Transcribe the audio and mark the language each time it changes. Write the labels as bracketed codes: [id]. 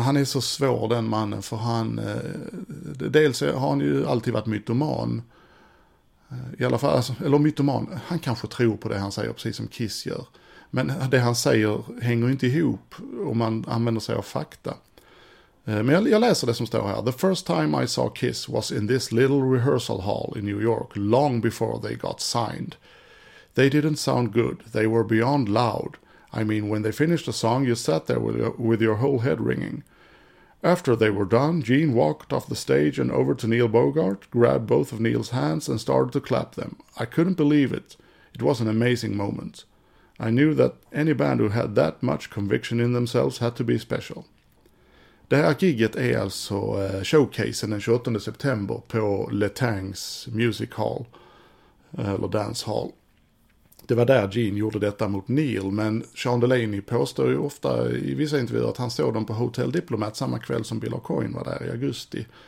[sv] Han är så svår den mannen. För han, dels har han ju alltid varit mytoman. I alla fall, eller mytoman. Han kanske tror på det han säger, precis som Kiss gör. Men det han säger hänger inte ihop om man använder sig av fakta. Men jag läser det som står här. [en] The first time I saw Kiss was in this little rehearsal hall in New York long before they got signed. They didn't sound good. They were beyond loud. I mean, when they finished a song, you sat there with your whole head ringing. After they were done, Gene walked off the stage and over to Neil Bogart, grabbed both of Neil's hands and started to clap them. I couldn't believe it. It was an amazing moment. I knew that any band who had that much conviction in themselves had to be special. [sv] Det här giget är alltså showcasen den 28 september på Le Tang's Music Hall, eller Dance Hall. Det var där Gene gjorde detta mot Neil, men Sean Delaney påstår ju ofta i vissa intervjuer att han såg dem på Hotel Diplomat samma kväll som Bill O'Coyne var där i augusti.